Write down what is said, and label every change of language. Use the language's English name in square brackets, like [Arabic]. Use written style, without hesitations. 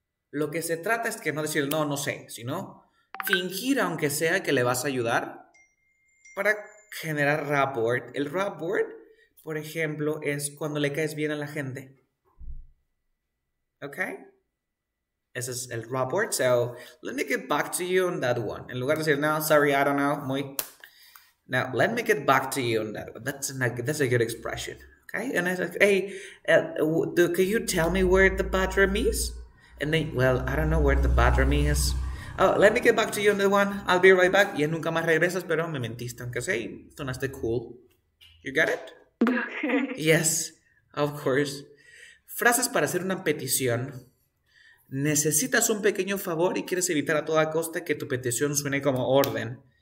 [Spanish] Lo que se trata es que no decir no, no sé, sino fingir aunque sea que le vas a ayudar para generar rapport. El rapport, por ejemplo, es cuando le caes bien a la gente. ¿Ok? Ese es el rapport. [English] So, let me get back to you on that one. [Spanish] En lugar de decir, [English] no, sorry, I don't know. Muy... Now, let me get back to you on that one. That's a good expression. Okay? And I said, hey, can you tell me where the bathroom is? And then, well, I don't know where the bathroom is. Oh, let me get back to you on that one. I'll be right back. [Spanish] Y nunca más regresas, pero me mentiste. Aunque sea, hey, sonaste cool. [English] You get it? Yes, of course. [Spanish] Frases para hacer una petición. Necesitas un pequeño favor y quieres evitar a toda costa que tu petición suene como orden.